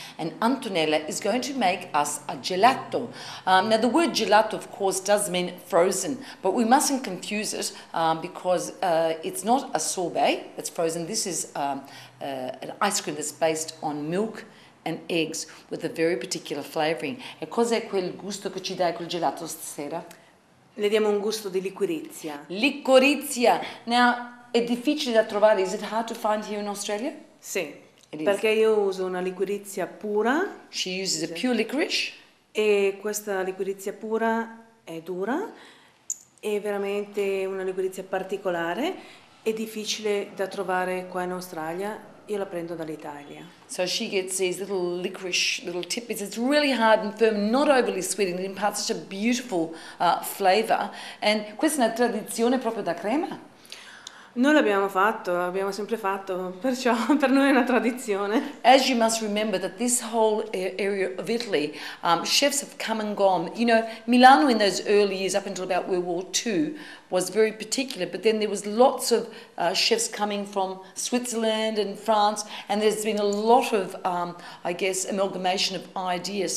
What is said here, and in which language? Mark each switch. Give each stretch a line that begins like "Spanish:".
English: And Antonella is going to make us a gelato. Now the word gelato of course does mean frozen, but we mustn't confuse it because it's not a sorbet that's frozen. This is an ice cream that's based on milk and eggs with a very particular flavoring.
Italian: E cos'è quel gusto che ci dai col gelato stasera? Le diamo un gusto di liquirizia. Liquirizia! Now, è difficile da trovare.
English: Is it hard to find here in Australia?
Italian: Sì. It perché is. Io uso una liquirizia pura.
English: She uses a pure licorice.
Italian: E questa liquirizia pura è dura. È veramente una liquirizia particolare. È difficile da trovare qua in Australia. Io la prendo dall'Italia.
English: So she gets these little licorice, little tippets. It's really hard and firm, not overly sweet, and it imparts such a beautiful flavor.
Italian: And questa è una tradizione proprio da crema? Noi l'abbiamo sempre fatto, perciò per noi è una tradizione.
English: As you must remember that this whole area of Italy, chefs have come and gone. You know, Milano in those early years, up until about World War II, was very particular, but then there was lots of chefs coming from Switzerland and France, and there's been a lot of, I guess, amalgamation of ideas.